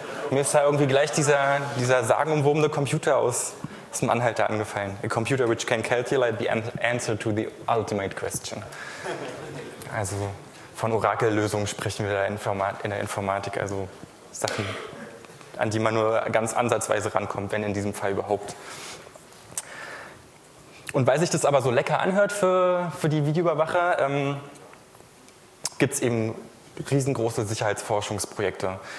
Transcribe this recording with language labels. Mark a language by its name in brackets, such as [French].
[German] Mir ist da irgendwie gleich dieser sagenumwobene Computer aus einem Anhalter angefallen. [English] A computer which can calculate the answer to the ultimate question. [German] Also von Orakellösungen sprechen wir da in der Informatik, also Sachen, an die man nur ganz ansatzweise rankommt, wenn in diesem Fall überhaupt. Und weil sich das aber so lecker anhört für die Videoüberwacher, gibt es eben riesengroße Sicherheitsforschungsprojekte.